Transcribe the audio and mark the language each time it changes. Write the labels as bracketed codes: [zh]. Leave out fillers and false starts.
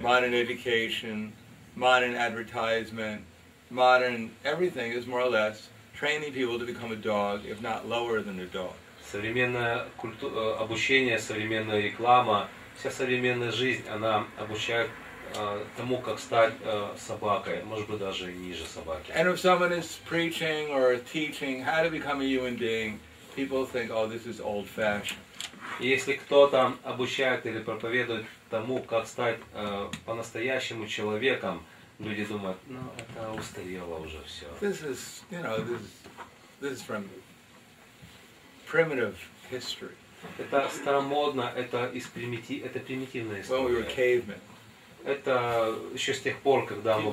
[en] Modern education, modern advertisement, modern everything is more or less training people to become a dog, if not lower than a dog. [ru] Современное обучение, современная реклама, вся современная жизнь, она обучает тому, как стать собакой, может быть, даже ниже собаки. [en] And if someone is preaching or teaching how to become a human being, people think, oh, this is old-fashioned. [ru] Если кто-то обучает или проповедует тому, как стать по-настоящему человеком, люди думают, ну, это устарело уже все. [en] This is, you know, this is from primitive history. [ru] Это старомодно, это примитивная история. [en] When we were cavemen. [ru] Это еще с тех пор, когда мы...